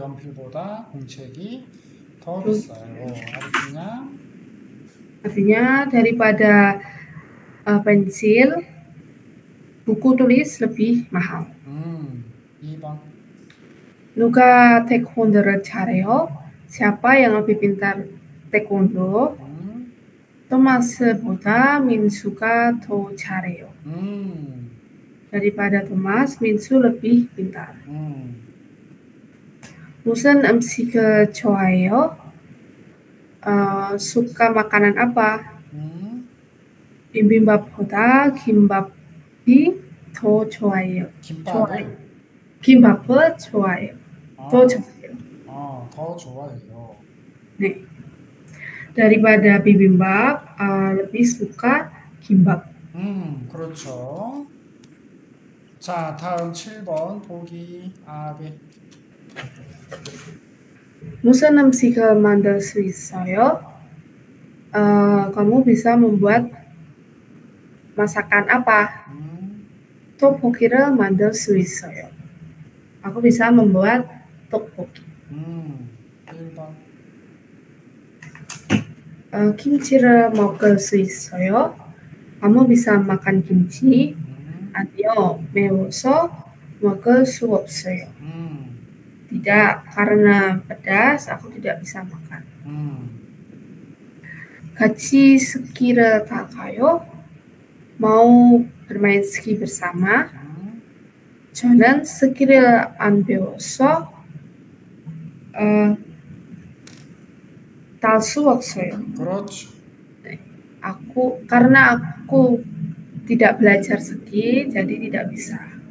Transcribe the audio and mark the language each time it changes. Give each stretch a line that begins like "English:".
Korean: 연필보다 공책이 더 비싸요. 아니냐? 아니냐?
Indonesian: Daripada pensil, buku tulis lebih mahal.
Korean: 2번. Luka taekwondo를 잘해요.
Indonesian: Siapa yang lebih pintar taekwondo?
Korean: Thomas보다 민수가 더 잘해요.
Indonesian: Daripada Thomas, Minsu lebih pintar. Musen MC Choayo, suka makanan apa?
Korean: Bibimbap보다 김밥이 더 좋아요. 김밥을 좋아요. 더 좋아요. 더 좋아요. 네.
Indonesian: Daripada bibimbap, lebih suka 김밥.
Korean: 그렇죠. 자, 다음 7번 보기. 아베. 무슨 음식을 만들 수 있어요?
Indonesian: Kamu bisa membuat masakan apa?
Korean: 떡볶이를 만들 수 있어요.
Indonesian: Aku bisa membuat 떡볶이.
Korean: 1번. Kimchi를 먹을 수 있어요?
Indonesian: Kamu bisa makan kimchi?
Korean: 아니요, 매워서 먹을 수 없어요.
Indonesian: Tidak, karena pedas, aku tidak bisa makan.
Korean: 같이 스키를 타요?
Indonesian: Mau bermain ski bersama?
Korean: 저는 스키를 안 배워서 탈 수 없어요. 그렇죠.
Indonesian: 아쿠, 카르나 아쿠 tidak belajar ski, jadi tidak bisa.